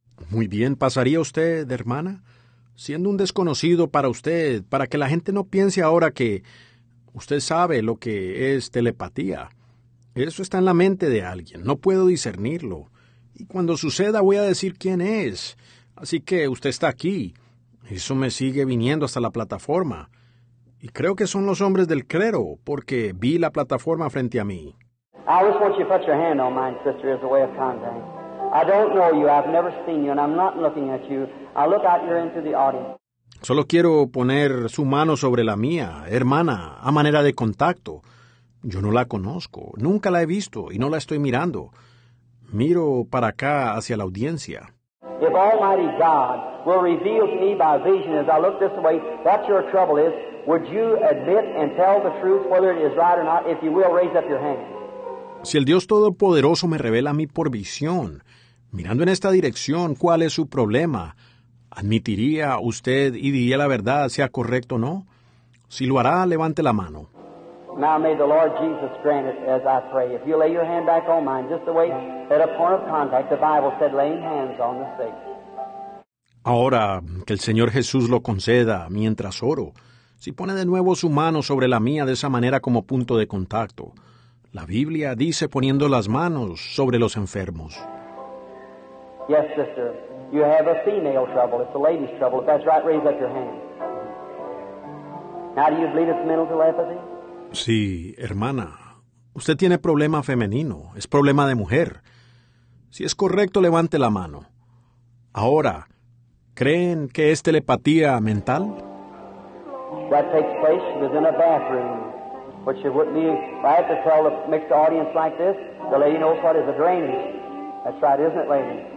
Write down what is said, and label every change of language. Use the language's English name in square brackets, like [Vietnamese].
[Spanish] Muy bien. ¿Pasaría usted, hermana? Siendo un desconocido para usted, para que la gente no piense ahora que usted sabe lo que es telepatía. Eso está en la mente de alguien. No puedo discernirlo. Y cuando suceda, voy a decir quién es. Así que usted está aquí. Eso me sigue viniendo hasta la plataforma. Y creo que son los hombres del clero, porque vi la plataforma frente a mí. [English] I just want you to put your hand on mine, sister, as a way of contact. I don't know you, I've never seen you, and I'm not looking at you. I look out here into the audience. [Spanish] Solo quiero poner su mano sobre la mía, hermana, a manera de contacto. Yo no la conozco, nunca la he visto, y no la estoy mirando. Miro para acá, hacia la audiencia. [English] If Almighty God will reveal to me by vision as I look this way, what your trouble is, would you admit and tell the truth, whether it is right or not, if you will, raise up your hand. [Spanish] Si el Dios Todopoderoso me revela a mí por visión, mirando en esta dirección, ¿cuál es su problema? ¿Admitiría usted y diría la verdad, sea correcto o no? Si lo hará, levante la mano. [English] Now may the Lord Jesus grant it as I pray. If you lay your hand back on mine, just the way at a point of contact, the Bible said laying hands on the sick. [Spanish] Ahora, que el Señor Jesús lo conceda mientras oro. Si pone de nuevo su mano sobre la mía de esa manera como punto de contacto. La Biblia dice poniendo las manos sobre los enfermos. [English] Yes, sister. You have a female trouble. It's a lady's trouble. If that's right, raise up your hand. Now, do you believe it's mental telepathy? [Spanish] Sí, hermana. Usted tiene problema femenino. Es problema de mujer. Si es correcto, levante la mano. Ahora, ¿creen que es telepatía mental? [English] That takes place. She was in a bathroom. But she wouldn't be. If I had to tell the mixed audience like this, the lady knows what is a drainage. That's right, isn't it, lady?